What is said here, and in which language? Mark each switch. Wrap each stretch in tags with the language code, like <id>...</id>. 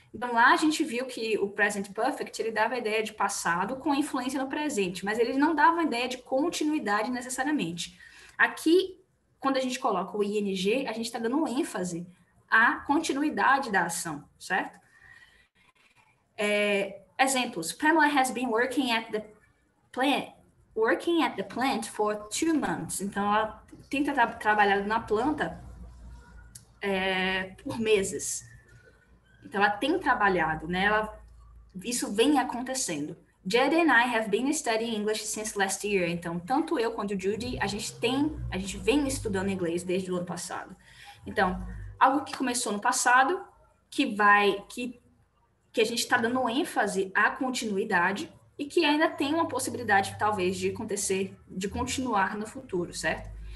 <pt>Então, lá a gente viu que o present perfect ele dava a ideia de passado com influência no presente, mas ele não dava a ideia de continuidade necessariamente. Aqui, quando a gente coloca o ing, a gente está dando ênfase à continuidade da ação, certo? Exemplos.</pt> <en>Pamela has been working at the plant for 2 months.</en> <pt>Então, ela tem trabalhado na planta por meses. Então, ela tem trabalhado, né? Isso vem acontecendo.</pt> <en>Jed and I have been studying English since last year.</en> <pt>Então, tanto eu quanto o Judy, a gente vem estudando inglês desde o ano passado. Então, algo que começou no passado, que a gente está dando ênfase à continuidade e que ainda tem uma possibilidade, talvez, de acontecer, de continuar no futuro, certo?</pt>